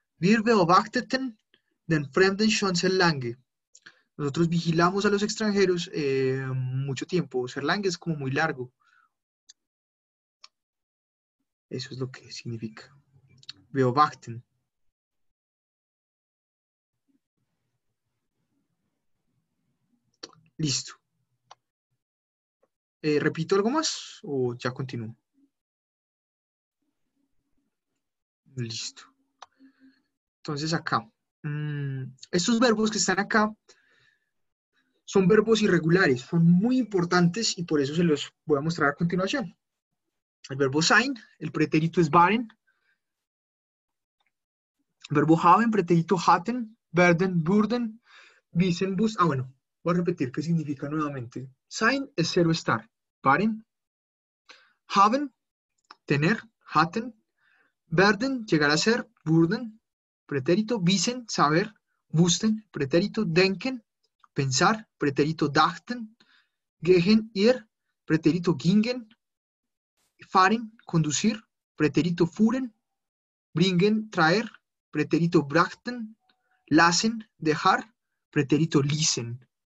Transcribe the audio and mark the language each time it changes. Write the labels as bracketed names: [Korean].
[German] Wir beobachteten den Fremden schon sehr lange. [Spanish] Nosotros vigilamos a los extranjeros mucho tiempo. Sehr lange es como muy largo. Eso es lo que significa. Beobachten. Listo. ¿Repito algo más o ya continúo? Listo. Entonces acá. Estos verbos que están acá. Son verbos irregulares, son muy importantes y por eso se los voy a mostrar a continuación. El verbo sein, el pretérito es waren. Verbo haben, pretérito hatten, werden, wurden, wissen, bus. Ah, bueno, voy a repetir qué significa nuevamente. Sein es ser o estar. Waren. Haben, tener, hatten. Werden, llegar a ser, wurden, pretérito. Wissen, saber, wussten, pretérito. Denken. Pensar, pretérito dachten, gehen, ir, pretérito gingen, fahren, conducir, pretérito fuhren, bringen, traer, pretérito brachten, lassen, dejar, pretérito ließen.